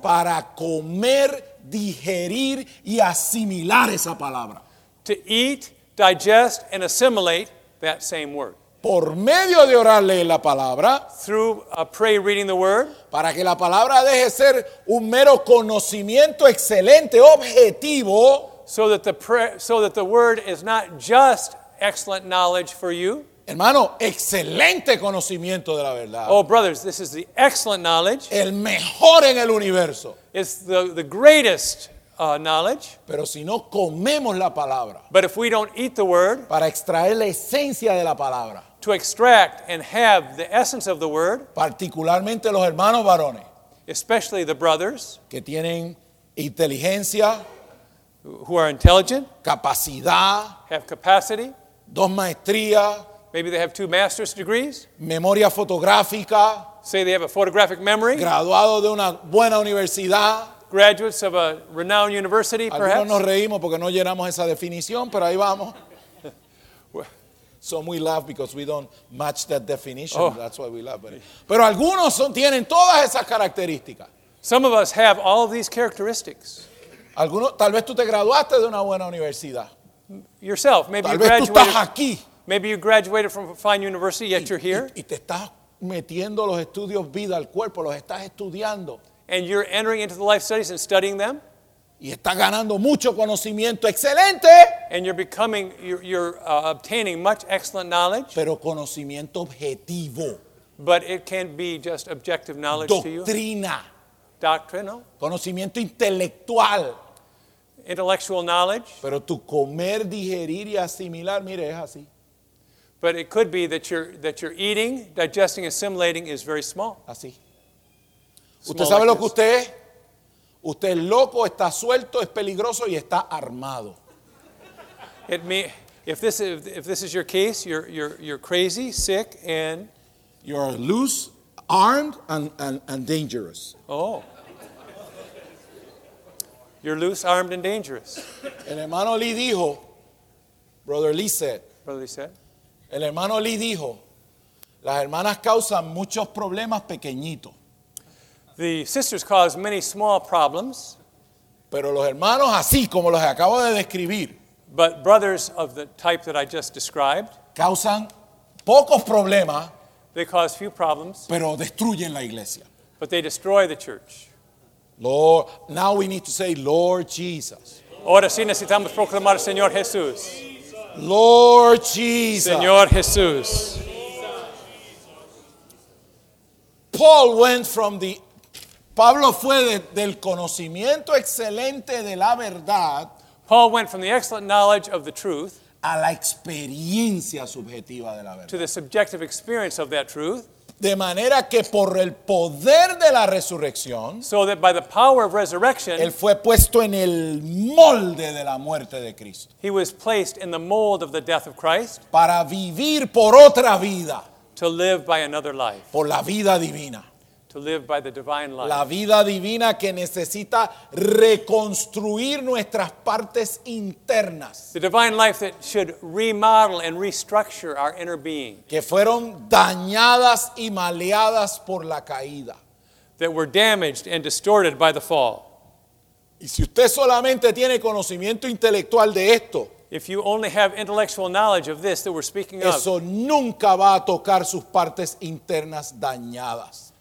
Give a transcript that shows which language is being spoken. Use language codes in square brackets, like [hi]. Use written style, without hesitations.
[es] Para comer, digerir y asimilar esa palabra. [en] To eat, digest, and assimilate that same word. [es] Por medio de orarle la palabra. [en] Through a prayer reading the word. [es] Para que la palabra deje ser un mero conocimiento excelente, objetivo. [en] So that the word is not just excellent knowledge for you. [es] Hermano, excelente conocimiento de la verdad. [en] Oh, brothers, this is the excellent knowledge. [es] El mejor en el universo. [en] It's the greatest knowledge. [es] Pero si no comemos la palabra. [en] But if we don't eat the word. [es] Para extraer la esencia de la palabra. [en] To extract and have the essence of the word. [es] Particularmente los hermanos varones. [en] Especially the brothers. [es] Que tienen inteligencia. [en] Who are intelligent. [es] Capacidad. [en] Have capacity. [es] Dos maestrías. [en] Maybe they have two master's degrees. [es] Memoria fotográfica. [en] Say they have a photographic memory. [es] Graduado de una buena universidad. [en] Graduates of a renowned university, [es] algunos [en] perhaps. [es] Algunos nos reímos porque no llenamos esa definición, pero ahí vamos. [en] Some we laugh because we don't match that definition. Oh. That's why we laugh. [es] Pero algunos tienen todas esas características. [en] Some of us have all of these characteristics. [es] Algunos, tal vez tú te graduaste de una buena universidad. [en] Yourself, maybe [es] tal [en] you graduated. [es] Tal vez tú estás aquí. [en] Maybe you graduated from a fine university, yet you're here. [es] Y te estás metiendo los estudios vida al cuerpo, los estás estudiando. [en] And you're entering into the life studies and studying them. [es] Y estás ganando mucho conocimiento, excelente. [en] And you're obtaining much excellent knowledge. [es] Pero conocimiento objetivo. [en] But it can be just objective knowledge [es] doctrina. [en] To you. [es] Doctrina. [en] Doctrinal. [es] Conocimiento intelectual. [en] Intellectual knowledge. [es] Pero tu comer, digerir y asimilar, mire, es así. [en] But it could be that you're eating, digesting, assimilating is very small. [es] Así. ¿Usted sabe lo que usted es? Usted es loco, está suelto, es peligroso y está armado. [en] If this is your case, you're crazy, sick, and you're loose, armed, and dangerous. Oh. You're loose, armed, and dangerous. [es] El hermano Lee dijo, [en] Brother Lee said. Brother Lee said. [es] El hermano Lee dijo, las hermanas causan muchos problemas pequeñitos. [en] The sisters cause many small problems. [es] Pero los hermanos, así como los acabo de describir. [en] But brothers of the type that I just described. [es] Causan pocos problemas. [en] They cause few problems. [es] Pero destruyen la iglesia. [en] But they destroy the church. Lord, now we need to say, Lord Jesus. [es] Ahora sí necesitamos proclamar Señor Jesús. [en] Lord Jesus. [es] Señor Jesús. [en] Paul went from the. [es] Pablo fue del conocimiento excelente de la verdad. [en] Paul went from the excellent knowledge of the truth. [es] A la experiencia subjetiva de la verdad. [en] To the subjective experience of that truth. [es] De manera que por el poder de la resurrección. [en] So that by the power of resurrection. [es] Él fue puesto en el molde de la muerte de Cristo. [en] He was placed in the mold of the death of Christ. [es] Para vivir por otra vida. [en] To live by another life. [es] Por la vida divina. [en] To live by the divine life. [es] La vida divina que necesita reconstruir nuestras partes internas. [en] The divine life that should remodel and restructure our inner being. [es] Que fueron dañadas y maleadas por la caída. [en] That were damaged and distorted by the fall. [es] Y si usted solamente tiene conocimiento intelectual de esto. [en] If you only have intellectual knowledge of this that we're speaking [es] eso [en] of. [es] Eso nunca va a tocar sus partes internas dañadas.